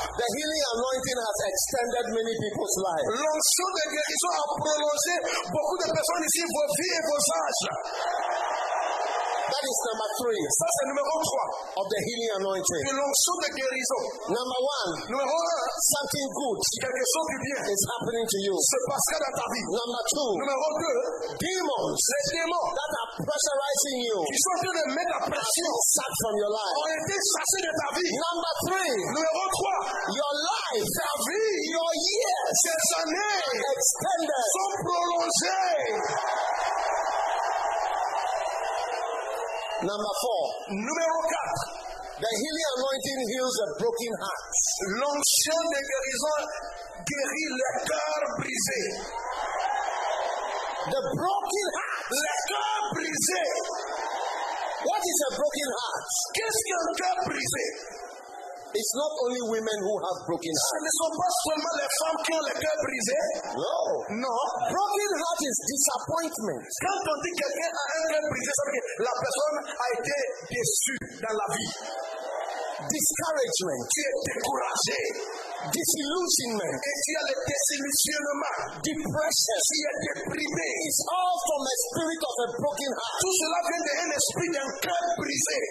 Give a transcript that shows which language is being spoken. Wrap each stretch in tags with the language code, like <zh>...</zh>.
<en>the healing anointing has extended many people's lives.</en> <fr>L'onction de guérison a prolongé beaucoup de personnes ici, vos vies et vos âges.</fr> <en>That is number three.</en> <fr>Ça, c'est numéro trois.</fr> <en>Of the healing anointing.</en> <fr>De l'onction de guérison.</fr> <en>Number one.</en> <fr>Numéro un.</fr> <en>Something good.</en> <fr>Quelque chose de bien.</fr> <en>Is happening to you.</en> <fr>Se passera dans ta vie.</fr> <en>Number two.</en> <fr>Numéro deux.</fr> <en>Demons.</en> <fr>Les démons.</fr> <en>That are pressurizing you.</en> <fr>Qui sont en train de mettre la pression.</fr> <en>Sacked from your life.</en> <fr>Ont été chassés de ta vie.</fr> <en>Number three.</en> <fr>Numéro trois.</fr> <en>Your life.</en> <fr>Ta vie.</fr> <en>Your years.</en> <fr>Ces années.</fr> <en>Extended.</en> <fr>Sont prolongées.</fr> <en>Number four.</en> <fr>Numéro quatre.</fr> <en>The healing anointing heals a broken heart.</en> <fr>L'onction de guérison guérit le cœur brisé.</fr> <en>The broken heart.</en> <fr>Le cœur brisé.</fr> <en>What is a broken heart?</en> <fr>Qu'est-ce qu'un cœur brisé?</fr> <en>It's not only women who have broken hearts.</en> <fr>Ce ne sont pas seulement les femmes qui ont le cœur brisé.</fr> <en>No. No. Broken heart is disappointment.</en> <fr>Quand on dit quelqu'un a un cœur brisé, ça veut dire que la personne a été déçue dans la vie.</fr> <en>Discouragement.</en> <fr>Tu es découragé.</fr> <en>Disillusionment.</en> <fr>Et tu as le désillusionnement.</fr> <en>Depression.</en> <fr>Tu es déprimé.</fr> <en>It's all from the spirit of a broken heart.</en> <fr>Tout cela vient d'un esprit d'un cœur brisé.</fr>